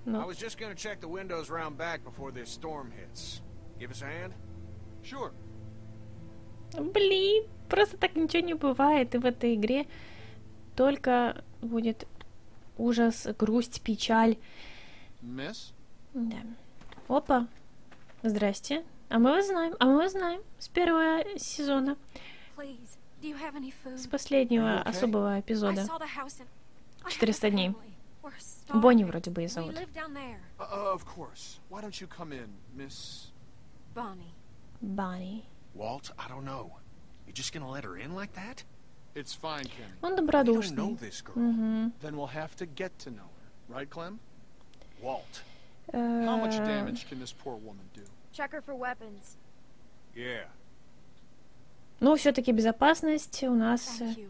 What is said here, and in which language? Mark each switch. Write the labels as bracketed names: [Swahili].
[English] I was just gonna check the windows round back before this storm hits. Give us a hand? Sure. [Russian] Блин, просто так ничего не бывает, и в этой игре только будет ужас, грусть, печаль. [English] Miss? [Russian] Да. Опа. Здрасте. А мы вас знаем. С первого сезона. [English] Please. Do you have any food? [Russian] С последнего особого эпизода. 400 дней. Бонни вроде бы и зовут. [English] Of course. Why don't you come in, Miss Bonnie. Walt, I don't know. You just gonna let her in like that? It's fine, Kenny. [Russian] Он добродушный. [English] You don't know this girl. Mm-hmm. Then we'll have to get to know her, right, Clem? Walt. How much damage can this poor woman do? Check her for weapons. Yeah. [Russian] Но все-таки безопасность у нас,